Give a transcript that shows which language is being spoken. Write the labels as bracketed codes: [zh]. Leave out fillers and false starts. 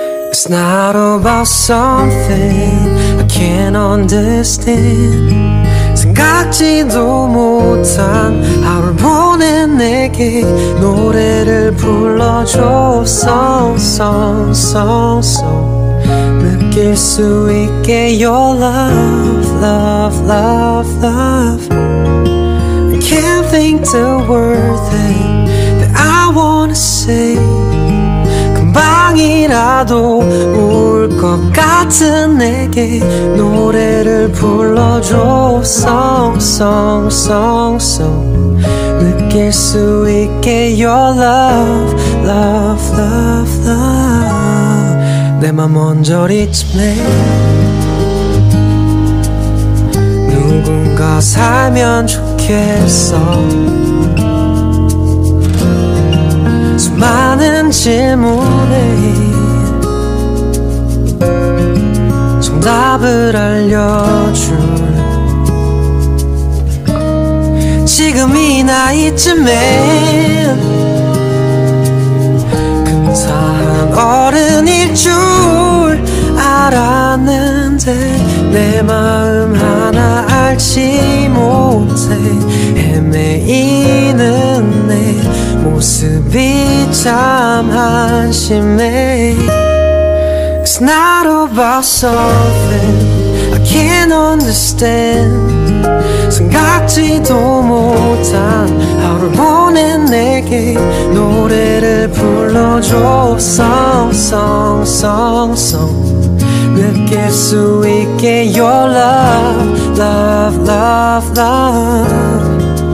[en] It's not about something I can't understand. [ko] 생각지도 못한 하루를 보낸 내게 노래를 불러줘. [en] Song, song, song, song. [ko] 느낄 수 있게 [en] your love, love, love, love. I can't think the word that I wanna say. [ko] 금방이라도 울 것 같은 내게 노래를 불러줘. [en] Song, song, song, song. [ko] 느낄 수 있게 [en] your love, love, love, love. [ko] 내 맘 먼저 리듬에 누군가 살면 좋겠어. 많은 질문에 정답을 알려줄 지금 이 나이쯤에 근사한 어른일 줄 알았는데 내 마음 하나 알지 못해 헤매이는 내 모습이 참 한심해. [en] It's not about something I can't understand. [ko] 생각지도 못한 하루를 보낸 내게 노래를 불러줘. [en] Song, song, song, song. [ko] 느낄 수 있게 [en] your love, love, love, love.